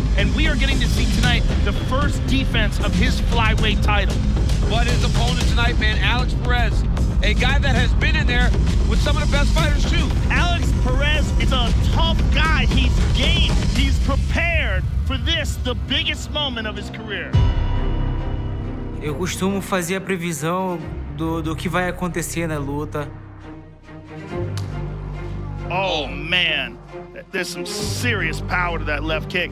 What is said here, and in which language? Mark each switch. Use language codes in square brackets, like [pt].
[en] And we are getting to see tonight the first defense of his flyweight title. But his opponent tonight, man, Alex Perez, a guy that has been in there with some of the best fighters, too. Alex Perez is a tough guy. He's game. He's prepared for this, the biggest moment of his career. [pt] Eu costumo fazer a previsão do que vai acontecer na luta. [en] Oh, man. There's some serious power to that left kick.